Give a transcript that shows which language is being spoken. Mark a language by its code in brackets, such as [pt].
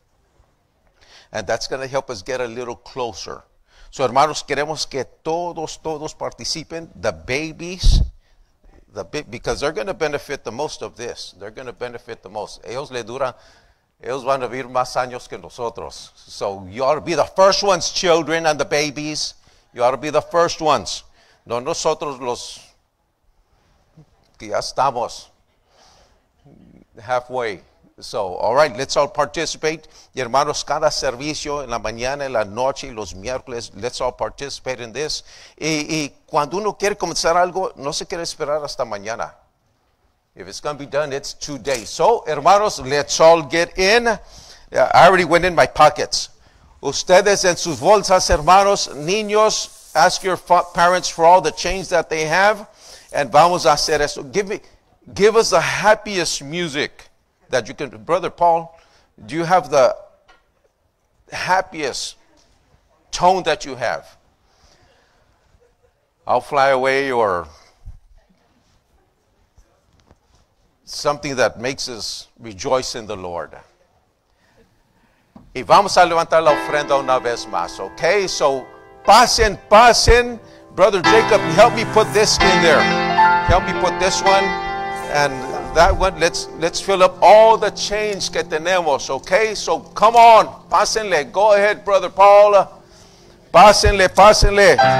[en] $5,000. And that's going to help us get a little closer. So, [es] hermanos, queremos que todos participen, [en] the babies, because they're going to benefit the most of this. They're going to benefit the most. [es] Ellos van a vivir más años que nosotros. [en] So, you ought to be the first ones, children and the babies. You ought to be the first ones. [es] No nosotros los que ya estamos [en] halfway. So, all right, let's all participate. [es] Y hermanos, cada servicio, en la mañana, en la noche, y los miércoles, [en] let's all participate in this. [es] Y cuando uno quiere comenzar algo, no se quiere esperar hasta mañana. [en] If it's going to be done, it's today. So, hermanos, let's all get in. Yeah, I already went in my pockets. [es] Ustedes en sus bolsas, hermanos, niños, [en] ask your parents for all the change that they have. [es] And vamos a hacer eso. [en] Give us the happiest music that you can. Brother Paul, do you have the happiest tone that you have? I'll Fly Away or something that makes us rejoice in the Lord. [es] Y vamos a levantar la ofrenda una vez más, okay? So, pasen, pasen. [en] Brother Jacob, help me put this in there. Help me put this one and that one. Let's fill up all the change [es] que tenemos, [en] okay? So, come on, pásenle. Go ahead, Brother Paul. [es] Pásenle, pásenle.